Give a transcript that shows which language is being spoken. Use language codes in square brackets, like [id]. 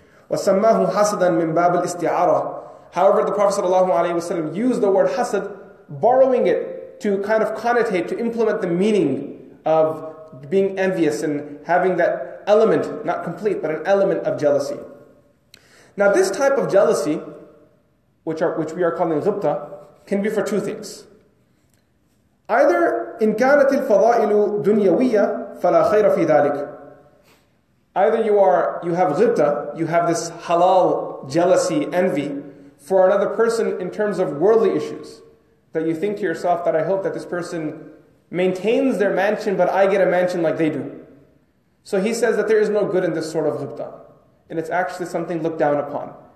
[ar] وَسَمَّاهُ حَسَدًا مِنْ بَابِ الْإِسْتِعَارَةِ [en] However, the Prophet ﷺ used the word hasad, borrowing it to kind of connotate, to implement the meaning of being envious and having that element, not complete, but an element of jealousy. Now this type of jealousy, which we are calling ghibta, can be for two things. [ar] Either إن كانت الفضائل دنيوية فلا خير في ذلك. [en] Either you have ghibta, you have this halal jealousy, envy for another person in terms of worldly issues. That you think to yourself that I hope that this person maintains their mansion but I get a mansion like they do. So he says that there is no good in this sort of ghibta. And it's actually something looked down upon.